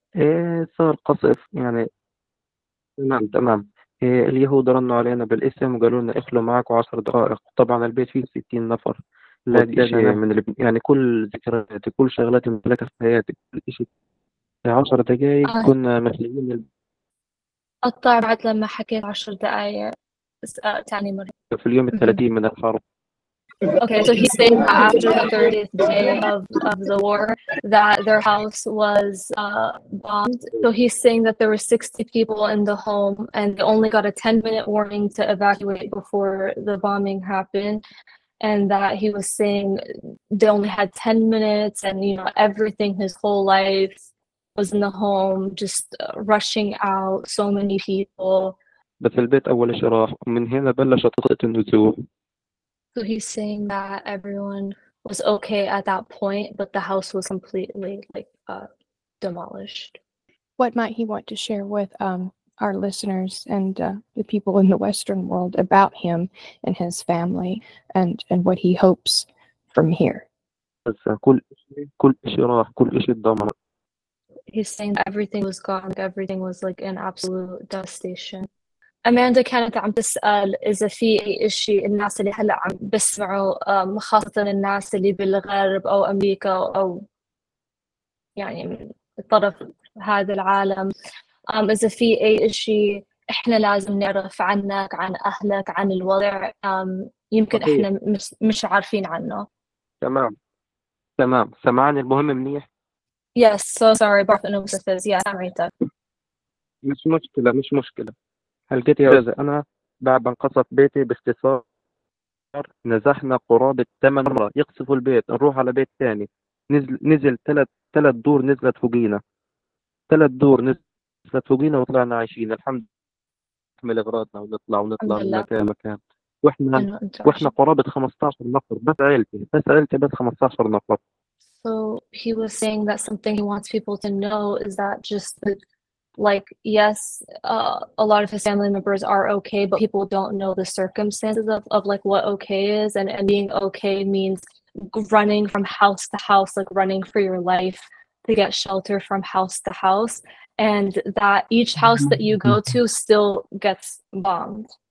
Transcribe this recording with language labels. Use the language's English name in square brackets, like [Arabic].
[Arabic] ايه صار قصف يعني تمام إيه اليهود رنوا علينا بالاسم وقالوا لنا اخلوا معكم 10 دقائق طبعا البيت فيه 60 نفر لا شيء من يعني كل ذكرياتي كل شغلاتي مملكة في حياتي كل شيء 10 دقائق كنا مخليين قطع بعد لما حكيت 10 دقائق تاني مرة في اليوم الثلاثين من الحرب. [English] Okay, so he's saying after the 30th day of the war that their house was bombed. So he's saying that there were 60 people in the home and they only got a 10-minute warning to evacuate before the bombing happened. And that he was saying they only had 10 minutes and you know everything his whole life was in the home, just rushing out so many people. [Arabic] بس البيت أول شيء راح ومن هنا بلشت قصة النزوح. [English] So he's saying that everyone was okay at that point, but the house was completely like demolished. What might he want to share with our listeners and the people in the Western world about him and his family and what he hopes from here? [Arabic] بس كل شيء راح كل شيء دمر. [English] He's saying that everything was gone. Everything was like in absolute devastation. [Arabic] أماندا كانت عم تسأل إذا في أي إشي الناس اللي هلا عم بسمعوا خاصة الناس اللي بالغرب أو أمريكا أو يعني طرف هذا العالم إذا في أي إشي إحنا لازم نعرف عنك عن أهلك عن الوضع يمكن إحنا مش عارفين عنه تمام سمعني المهم منيح [English] Yes, so sorry, [Arabic] بعرف إنه مستفز [English] Yeah, [Arabic] سمعتك مش مشكلة هلقيت يا عزيزي أنا بعد انقصف بيتي باختصار نزحنا قرابة 8 مرة يقصفوا البيت نروح على بيت ثاني نزل ثلاث دور نزلت فوقينا ثلاث دور نزلت فوقينا وطلعنا عايشين الحمد لله نحمل أغراضنا ونطلع من مكان وإحنا قرابة 15 نفر بس عيلتي 15 نفر [English] So he was saying that something he wants people to know is that just Like, yes, a lot of his family members are okay, but people don't know the circumstances of like what okay is. And being okay means running from house to house, like running for your life to get shelter from house to house. And that each house that you go to still gets bombed.